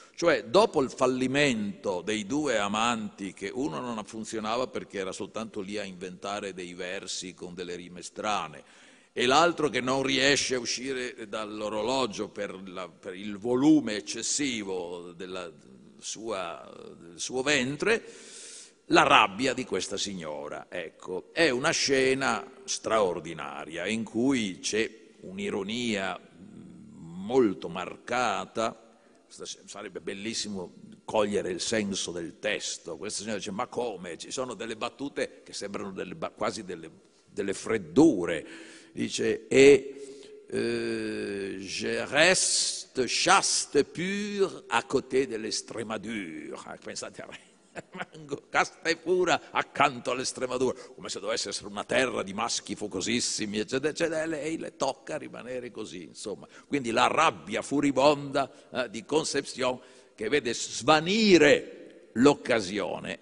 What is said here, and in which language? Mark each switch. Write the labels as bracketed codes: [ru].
[it] Cioè, dopo il fallimento dei due amanti, che uno non funzionava perché era soltanto lì a inventare dei versi con delle rime strane, e l'altro che non riesce a uscire dall'orologio per il volume eccessivo del suo ventre, la rabbia di questa signora, ecco, è una scena straordinaria in cui c'è un'ironia molto marcata. Sarebbe bellissimo cogliere il senso del testo. Questa signora dice: ma come? Ci sono delle battute che sembrano quasi delle freddure. [fr] Dice: je reste chaste pur à côté de l'Estremadure. [it] Pensate a me. Casta e pura accanto all'Estremadura, come se dovesse essere una terra di maschi focosissimi, eccetera, eccetera. Lei le tocca rimanere così, insomma. Quindi la rabbia furibonda di Concepcion, che vede svanire l'occasione.